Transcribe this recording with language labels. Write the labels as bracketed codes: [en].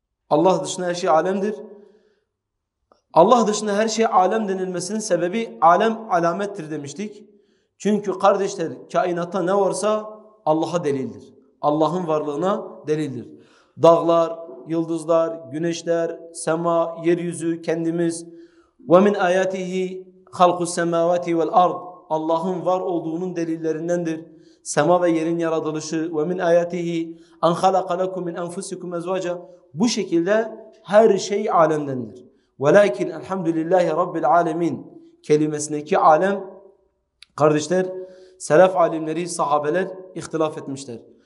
[tr] Allah dışında her şey alemdir. Allah dışında her şey alem denilmesinin sebebi alem alamettir demiştik. Çünkü kardeşler, kainatta ne varsa Allah'a delildir. Allah'ın varlığına delildir. Dağlar, yıldızlar, güneşler, sema, yeryüzü, kendimiz. [ar] وَمِنْ آيَاتِهِ خَلْقُ السَّمَاوَاتِ وَالْاَرْضِ [tr] Allah'ın var olduğunun delillerindendir. Sema ve yerin yaratılışı ve [ar] min ayatihi en halaka lekum min enfusikum ezvaca, [tr] bu şekilde her şey alemdendir. Velakin elhamdülillahi rabbil alemin kelimesindeki alem, kardeşler, selef alimleri, sahabeler ihtilaf etmişler.